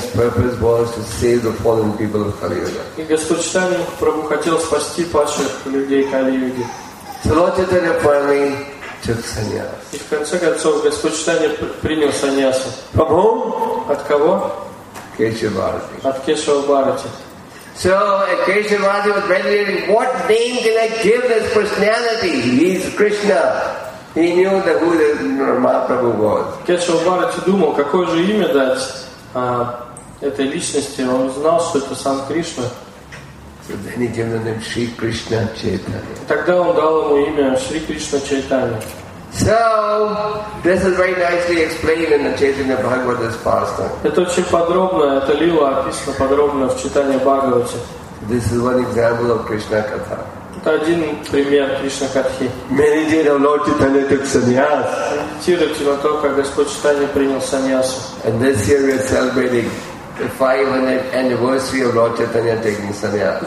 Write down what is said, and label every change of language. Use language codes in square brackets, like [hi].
[en] Purpose was to save the fallen people of Kali Yuga. [ru] И Господь Чайтанья Махапрабху хотел спасти падших людей Кали Юги. [en] So Lord Chaitanya finally took sannyas. [ru] И в конце концов Господь Чайтанья принял саньясу. [en] From whom? [ru] От кого? Кешава Бхарати. От Кешава Бхарати. [en] So Кешава Бхарати was meditating. What name can I give this personality? He is Krishna. He knew that who the Mahaprabhu was. [ru] Кешава Бхарати думал, какое же имя дать этой личности. Он знал, что это сам Кришна. [en] So then he gave the name Shri Krishna Chaitanya. [ru] Тогда он дал ему имя Шри Кришна Чайтанья. [en] So this is very nicely explained in the Chaitanya Bhagavata's pastime. [ru] Это очень подробно, это лила описано подробно в Чайтанья Бхагавате. [en] This is one example of Krishna Katha. [ru] Это один пример Кришна Катхи. [en] Many did of Lord Chaitanya took sannyas. [ru] Медитируйте на то, как Господь Чайтанья принял саньясу. [en] And this year we are celebrating the 500th anniversary of Lord Chaitanya taking sannyas.